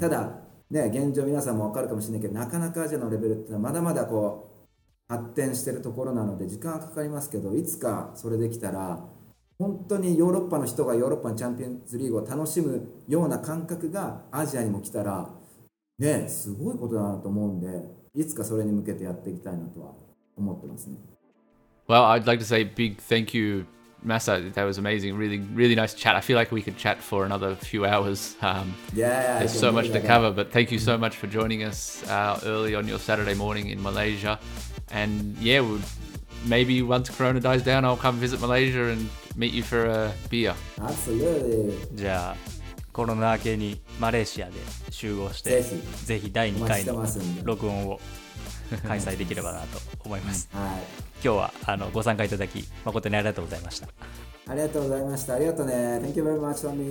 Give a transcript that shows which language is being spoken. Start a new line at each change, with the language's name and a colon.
Japanese: ただ、ね、現状皆さんも分かるかもしれないけど、なかなかアジアのレベルってのはまだまだこう発展してるところなので、時間はかかりますけど、いつかそれできたら本当にヨーロッパの人がヨーロッパのチャンピオンズリーグを楽しむような感覚がアジアにも来たら、ね、すごいことだなと思うんで、いつかそれに向けてやっていきたいなとは思ってますね。
English: Well, I'd like to say big thank youMasa, that was amazing. Really, really nice chat. I feel like we could chat for another few hours. There's so much to cover, but thank you so much for joining us early on your Saturday morning in Malaysia. And yeah, we'll, maybe once Corona dies down, I'll come visit Malaysia and meet you for a beer. Absolutely.
Japanese: じゃあ、コロナ明けにマレーシアで集合して、ぜひ第2回の録音を開催できればなと思います。はい。今日はご参加いただき誠にありがとうございました。ありがとうございました。ありがとうね。
English: Thank you very much, Tommy.